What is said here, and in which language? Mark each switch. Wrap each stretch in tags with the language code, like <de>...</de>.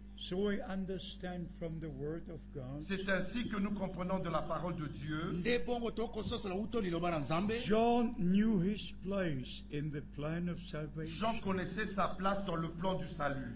<en>So we understand from the word of God.</en> <fr>C'est ainsi que nous comprenons de la parole de Dieu.</fr> <en>John knew his place in the plan of salvation.</en> <fr>Jean connaissait sa place dans le plan du salut.</fr>